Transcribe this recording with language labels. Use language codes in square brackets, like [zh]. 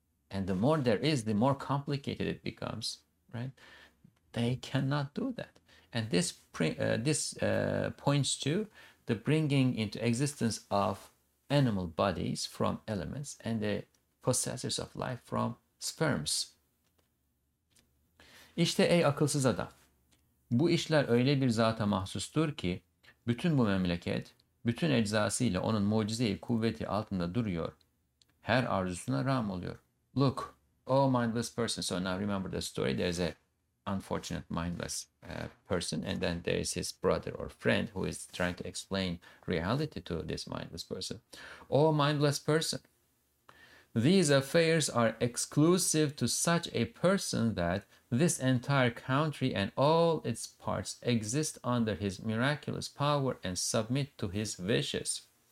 [en] And the more there is, the more complicated it becomes, right? They cannot do that. And this points to the bringing into existence of animal bodies from elements and the possessors of life from sperms. [tr] İşte ey akılsız adam, bu işler öyle bir zata mahsustur ki, bütün bu memleket, bütün eczasıyla onun mucize-i kuvveti altında duruyor. Her arzusuna ram oluyor. [en] Look, oh mindless person. So now remember the story. There's a unfortunate mindless person. And then there is his brother or friend who is trying to explain reality to this mindless person. Oh mindless person, these affairs are exclusive to such a person that this entire country and all its parts exist under his miraculous power and submit to his wishes.